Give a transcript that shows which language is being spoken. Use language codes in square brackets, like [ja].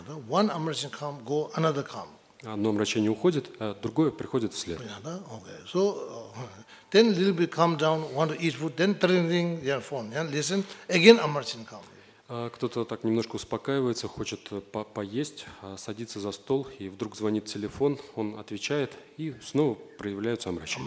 [en] One omission come, go another come. [ru] Одно омрачение уходит, а другое приходит вслед. Понятно, [en] okay. So then a little bit calm down, want to eat food, then ring their phone, yeah, listen, again omrachenie come. [ru] Кто-то так немножко успокаивается, хочет поесть, садится за стол, и вдруг звонит телефон, он отвечает, и снова проявляются омрачения.